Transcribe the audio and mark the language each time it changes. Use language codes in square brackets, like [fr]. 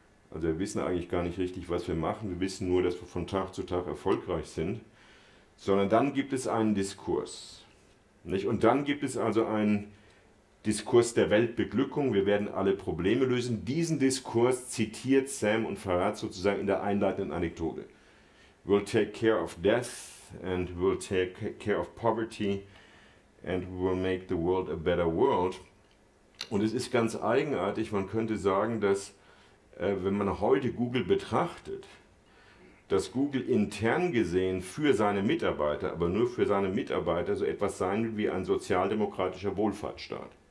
[de] Also wir wissen eigentlich gar nicht richtig, was wir machen. Wir wissen nur, dass wir von Tag zu Tag erfolgreich sind. Sondern dann gibt es einen Diskurs. Nicht? Und dann gibt es also einen Diskurs der Weltbeglückung. Wir werden alle Probleme lösen. Diesen Diskurs zitiert Sam und Farhad sozusagen in der einleitenden Anekdote. [en] We'll take care of death and we'll take care of poverty and we'll make the world a better world. [de] Und es ist ganz eigenartig, man könnte sagen, dass wenn man heute Google betrachtet, dass Google intern gesehen für seine Mitarbeiter, aber nur für seine Mitarbeiter, so etwas sein will wie ein sozialdemokratischer Wohlfahrtsstaat.